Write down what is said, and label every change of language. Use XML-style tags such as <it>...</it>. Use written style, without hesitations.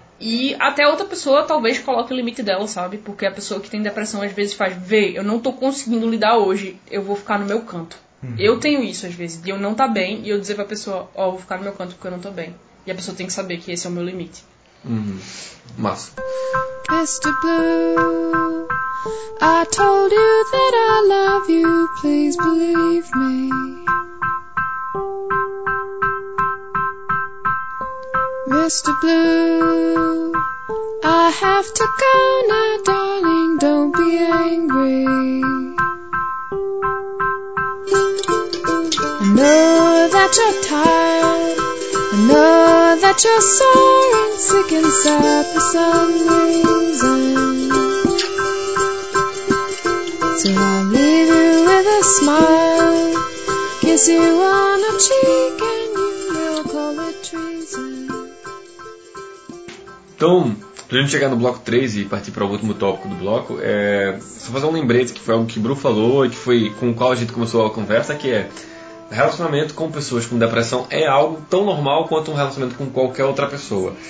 <pt>E até outra pessoa talvez coloque o limite dela, sabe? Porque a pessoa que tem depressão às vezes faz... Vê, eu não tô conseguindo lidar hoje, eu vou ficar no meu canto. Uhum. Eu tenho isso às vezes, de eu não tá bem e eu dizer pra pessoa... Ó, oh, vou ficar no meu canto porque eu não tô bem. E a pessoa tem que saber que esse é o meu limite. Uhum. Massa. Mr.</pt> <en>Blue, I told you that I love you, please believe me. Mr. Blue, I have to go now, darling, don't be angry. I know that you're tired, I know that you're sore and sick and sad for some reason. So I'll leave you with a smile, kiss you on the cheek and you will call it treason.</en> <pt>Então, pra gente chegar no bloco 3 e partir para o último tópico do bloco, só fazer um lembrete que foi algo que o Bru falou e que foi com o qual a gente começou a conversa, que é relacionamento com pessoas com depressão é algo tão normal quanto um relacionamento com qualquer outra pessoa.</pt>